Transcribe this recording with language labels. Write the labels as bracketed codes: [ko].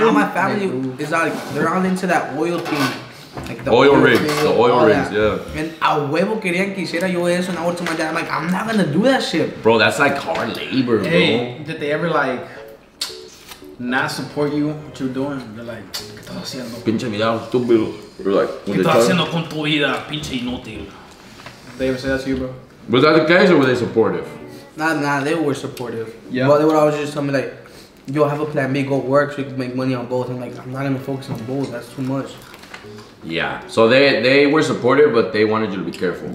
[en] Now my family is like, they're on into that oil thing. Like the oil rigs, thing, the oil rigs, yeah. And [es] a huevo querían que hiciera yo eso, [en] and I went to my dad, I'm like, I'm not gonna do that shit. Bro, that's like hard labor, bro. Hey, did they ever like, not support you, what you're doing? They're like, [es] ¿qué estás haciendo? Pinche mirado, estúpido. [en] We're like, [es] ¿qué estás haciendo con tu vida, pinche inútil? [en] They ever say that to you, bro? Was that the case, or were they supportive? Nah, they were supportive. Yeah. But they would always just tell me like, yo, have a plan B, go work so you can make money on both. And like, I'm not gonna focus on both, that's too much. Yeah, so they were supportive, but they wanted you to be careful.